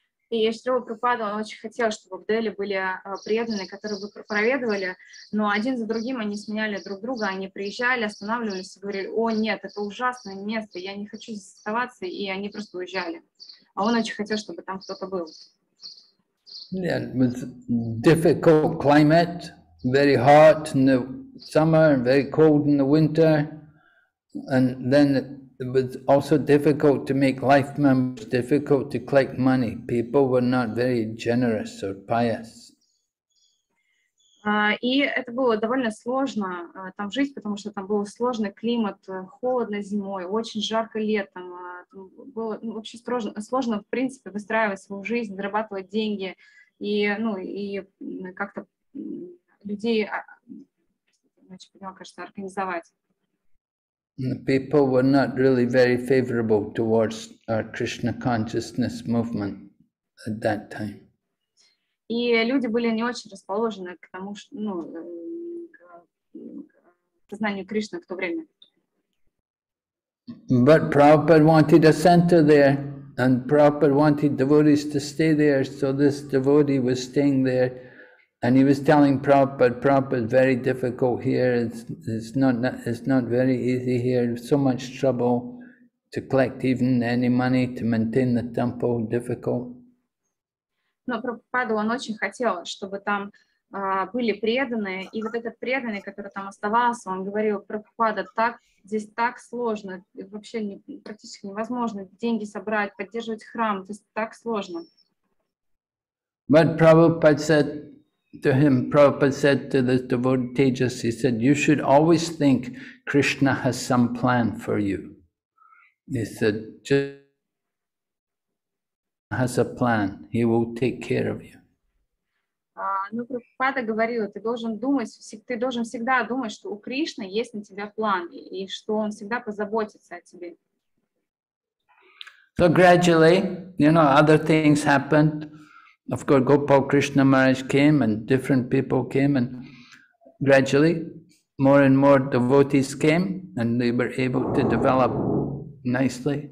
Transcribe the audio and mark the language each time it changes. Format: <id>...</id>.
<ru>И Шрила Прабхупада, он очень хотел, чтобы в Дели были преданные, которые бы проповедовали, но один за другим они сменяли друг друга, они приезжали, останавливались и говорили, о нет, это ужасное место, я не хочу здесь оставаться, и они просто уезжали. А он очень хотел, чтобы там кто-то был.</ru> <en>Yeah, it was difficult climate, very hot in the summer, very cold in the winter, and then it was also difficult to make life members, difficult to collect money. People were not very generous or pious.</en> <ru>И это было довольно сложно там жить, потому что там был сложный климат, холодно зимой, очень жарко летом. Было вообще сложно, в принципе, выстраивать свою жизнь, зарабатывать деньги и, ну, и как-то людей, значит, понимаю, кажется, организовать.</ru> <en>People were not really very favorable towards our Krishna consciousness movement at that time.</en> <ru>И люди были не очень расположены к тому, что, ну, к сознанию Кришны в то время.</ru> <en>But Prabhupada wanted a center there, and Prabhupada wanted devotees to stay there, so this devotee was staying there. And he was telling Prabhupada, Prabhupada, it's very difficult here, it's not very easy here, so much trouble to collect even any money to maintain the temple, difficult.</en> <ru>Но Прабхупаду он очень хотел, чтобы там были преданные, и вот этот преданный, который там оставался, он говорил: Прабхупада, так здесь так сложно, вообще не, практически невозможно деньги собрать, поддерживать храм, то есть так сложно.</ru> <en>But Prabhupada said to him, Prabhupada said to the devotees, he said, you should always think Krishna has some plan for you. He said, just has a plan, he will take care of you.</en> <ru>Ну, Прабхупада говорил, ты должен всегда думать, что у Кришны есть на тебя план, и что он всегда позаботится о тебе.</ru> <en>So gradually, you know, other things happened. Of course, Gopal Krishna Maharaj came and different people came, and gradually more and more devotees came and they were able to develop nicely.</en>